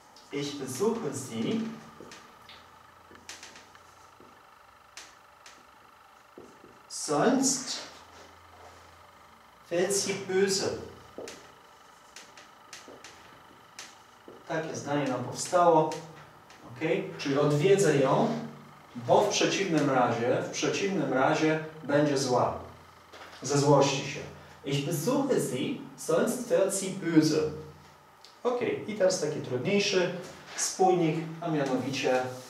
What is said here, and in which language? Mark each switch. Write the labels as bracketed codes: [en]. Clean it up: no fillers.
[de] Ich besuche sie sonst wird sie böse. [pl] Takie zdanie nam powstało. Okay. Czyli odwiedzę ją, bo w przeciwnym razie będzie zła. Zezłości się. [de] Ich besuche sie, sonst wird sie böse. Ok. [pl] I teraz taki trudniejszy spójnik, a mianowicie